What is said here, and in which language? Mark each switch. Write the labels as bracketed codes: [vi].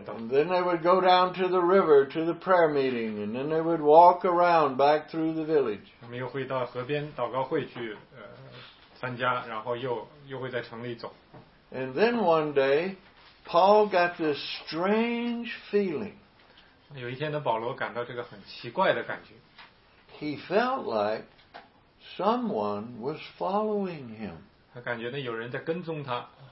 [en] Then they would go down to the river to the prayer meeting, and then they would walk around back through the village. [zh] 他们又会到河边祷告会去参加，然后又会在城里走。 [en] And then one day, Paul got this strange feeling. [zh] 有一天呢，保罗感到这个很奇怪的感觉。 [en] He felt like someone was following him. [zh] 他感觉呢，有人在跟踪他。